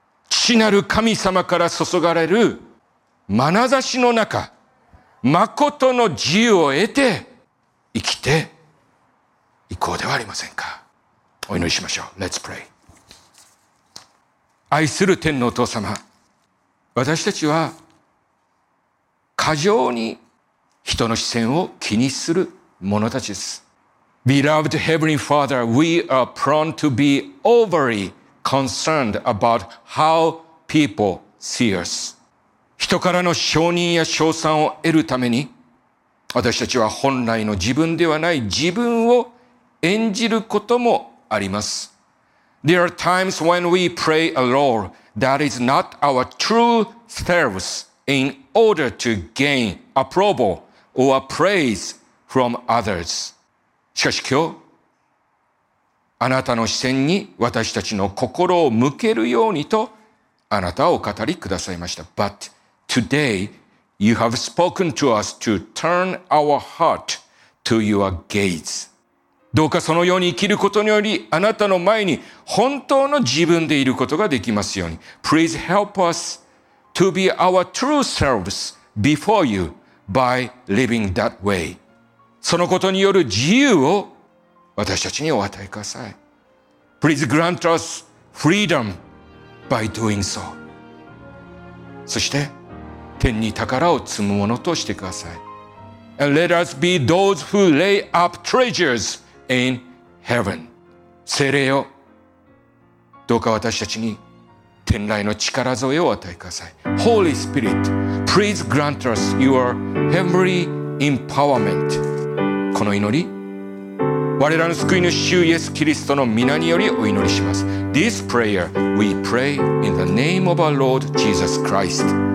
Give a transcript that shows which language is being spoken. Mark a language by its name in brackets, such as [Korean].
[Japanese] 父なる神様から注がれる眼差しの中、誠の自由を得て生きていこうではありませんか。お祈りしましょう。 [English] Let's pray。 [Japanese] 愛する天のお父様、私たちは過剰に人の視線を気にする者たちです。 [English] Beloved Heavenly Father, we are prone to be overly concerned about how people see us。 [Japanese] 人からの承認や称賛を得るために私たちは本来の自分ではない自分を演じることもあります。 [English] There are times when we play a role that is not our true selves in order to gain approval or praise from others。 [Japanese] しかし今日、あなたの視線に私たちの心を向けるようにとあなたはお語りくださいました。 [English] But today you have spoken to us to turn our heart to your gaze。 [Japanese] どうかそのように生きることにより、あなたの前に本当の自分でいることができますように。 [English] Please help us to be our true selves before you by living that way。 [Japanese] そのことによる自由を私たちにお与えください。 [English] Please grant us freedom by doing so。 [Japanese] そして天に宝を積むものとしてください。 [English] And let us be those who lay up treasuresIn heaven。 [Japanese] 聖霊よ、どうか私たちに天来の力添えを与えてください。 [English] Holy Spirit, please grant us your heavenly empowerment。 [Japanese] この祈り、我らの救い主イエス・キリストの御名によりお祈りします。 [English] This prayer we pray in the name of our Lord Jesus Christ.